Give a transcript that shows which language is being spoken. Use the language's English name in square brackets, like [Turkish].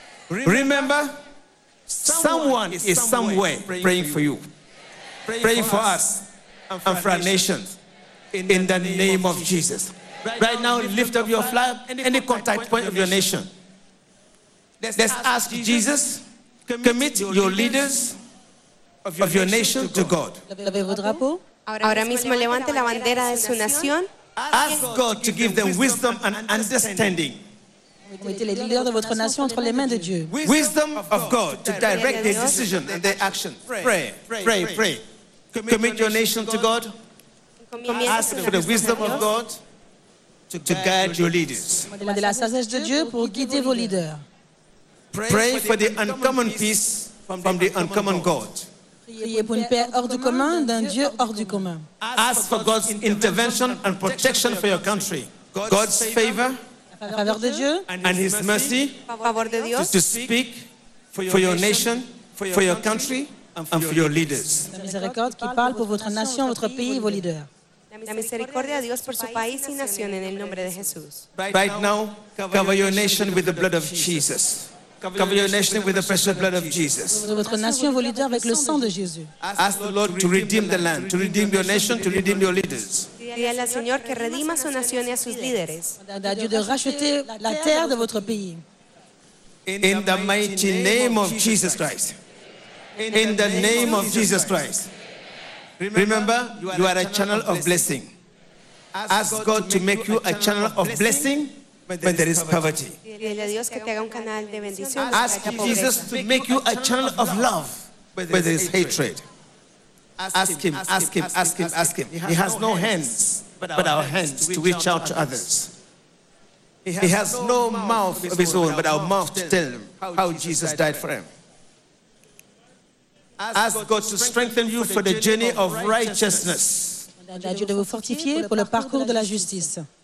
[English] Remember, someone is somewhere praying for you, praying for us, and for our nations, in the name of Jesus. Right now, lift up your flag, any contact point of your nation. Let's ask Jesus, commit your leaders of your nation to God. [Spanish] Ahora mismo levante la bandera de su nación. [English] Ask God to give them wisdom and understanding. [French] Mettez les leaders de votre nation entre les mains de Dieu. [English] Wisdom of God to direct their decision and their action. Pray, pray, pray. Commit your nation to God. Ask for the wisdom of God to guide your leaders. [French] Demandez la sagesse de Dieu pour guider vos leaders. [English] Pray for the uncommon peace from the uncommon God. [French] Priez pour une paix hors du commun d'un Dieu hors du commun. [English] Ask for God's intervention and protection for your country. God's favor, [French] la faveur de Dieu, [English] and His mercy, [Spanish] favor de Dios, [English] to speak for your nation, for your country, and for your leaders. [French] La miséricorde qui parle pour votre nation, votre pays, vos leaders. [Spanish] La misericordia de Dios por su país y nación en el nombre de Jesús. [English] Right now, cover your nation with the blood of Jesus. Cover your nation with the precious blood of Jesus. [French] Votre nation, vos leaders, avec le sang de Jésus. [English] Ask the Lord to redeem the land, to redeem your nation, to redeem your leaders. [Spanish] Dile al Señor que redima su nación y a sus líderes. [French] A Dieu de racheter la terre de votre pays. [English] In the mighty name of Jesus Christ. In the name of Jesus Christ. Remember, you are a channel of blessing. Ask God to make you a channel of blessing when there is poverty. Ask Jesus to make you a channel of love when there is hatred. Ask Him, ask Him, ask Him, ask Him. He has no hands but our hands to reach out to others. He has no mouth of His own but our mouth to tell Him how Jesus died for Him. Ask God to strengthen you for the journey of righteousness. [French] À Dieu de vous fortifier pour le parcours de la justice.